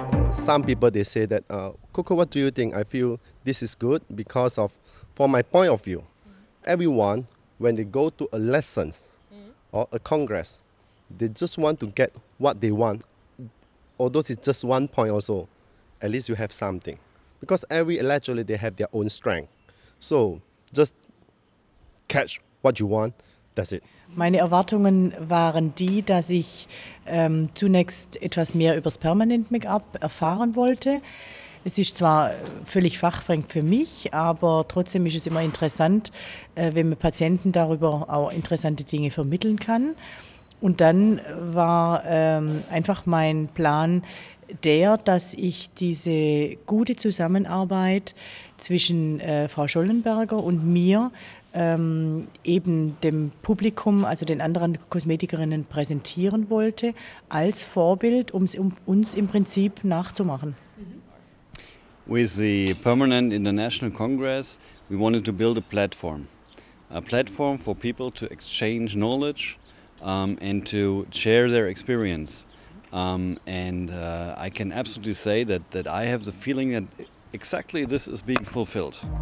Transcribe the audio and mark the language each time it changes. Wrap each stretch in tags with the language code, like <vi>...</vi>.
<en>Some people they say that, Coco, what do you think? I feel this is good because of, from my point of view, everyone, when they go to a lessons or a congress, they just want to get what they want, although it's just one point or so, at least you have something. Because every electrolyte, they have their own strength. So just catch what you want, that's it.</en> <de>Meine Erwartungen waren die, dass ich zunächst etwas mehr über das Permanent-Make-up erfahren wollte. Es ist zwar völlig fachfremd für mich, aber trotzdem ist es immer interessant, wenn man Patienten darüber auch interessante Dinge vermitteln kann. Und dann war einfach mein Plan, der, dass ich diese gute Zusammenarbeit zwischen Frau Schollenberger und mir eben dem Publikum, also den anderen Kosmetikerinnen, präsentieren wollte als Vorbild, um uns im Prinzip nachzumachen.</de> <en>With the Permanent International Congress, we wanted to build a platform. A platform for people to exchange knowledge and to share their experience. I can absolutely say that I have the feeling that exactly this is being fulfilled.</en>